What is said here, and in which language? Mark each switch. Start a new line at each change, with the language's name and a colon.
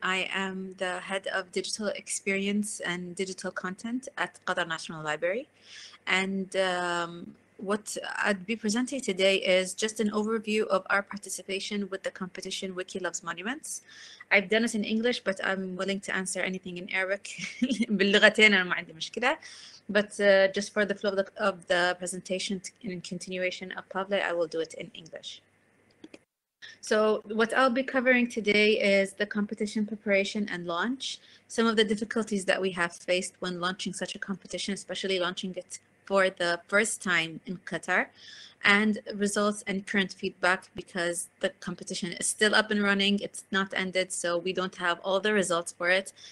English: I am the head of digital experience and digital content at Qatar National Library. And what I'd be presenting today is just an overview of our participation with the competition Wiki Loves Monuments. I've done it in English, but I'm willing to answer anything in Arabic.
Arabic: باللغتين أنا ما عندي مشكلة.
English: But just for the flow of the presentation in continuation of Pavle, I will do it in English. So what I'll be covering today is the competition preparation and launch, some of the difficulties that we have faced when launching such a competition, especially launching it for the first time in Qatar, and results and current feedback, because the competition is still up and running, it's not ended, so we don't have all the results for it.